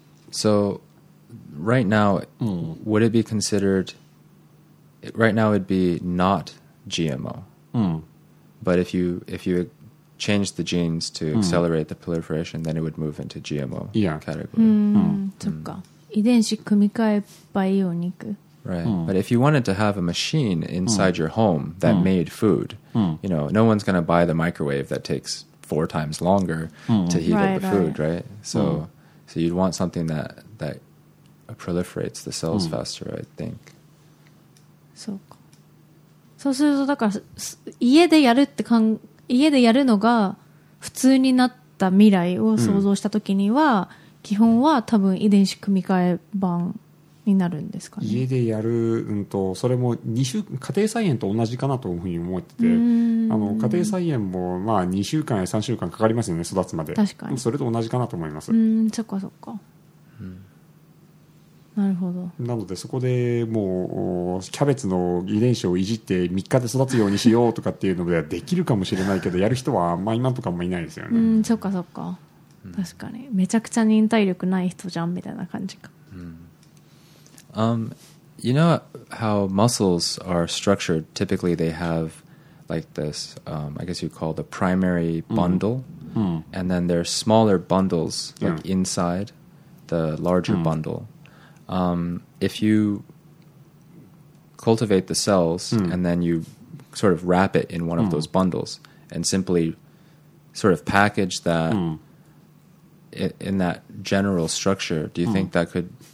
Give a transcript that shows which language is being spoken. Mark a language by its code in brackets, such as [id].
[en] So. Right now, would it be considered? Right now, it'd be not GMO. But if you change the genes to accelerate the proliferation, then it would move into GMO category. [ja] そっか。遺伝子組み換えバイオ肉。 [en] Right. Mm. But if you wanted to have a machine inside your home that made food, you know, no one's going to buy the microwave that takes four times longer to heat up the food, right? So so you'd want something that that proliferates the cells faster, I think. [ja] そうか。そうするとだから家でやるって感、家でやるのが普通になった未来を想像したときには、基本は多分遺伝子組み換え版になるんですかね。家でやる、それも2週家庭菜園と同じかなというふうに思ってて、家庭菜園もまあ2週間や3週間かかりますよね、育つまで。確かに。それと同じかなと思います。そっかそっか。なるほど。なのでそこでもうキャベツの遺伝子をいじって3日で育つようにしようとかっていうのではできるかもしれないけど、やる人はまあ今とかもいないですよね。そっかそっか。確かに。めちゃくちゃ忍耐力ない人じゃんみたいな感じか。 [en] You know how muscles are structured? Typically, they have like this, I guess you call the primary bundle. Mm-hmm. And then there are smaller bundles like inside the larger bundle. If you cultivate the cells and then you sort of wrap it in one of those bundles and simply sort of package that in that general structure, do you think that could...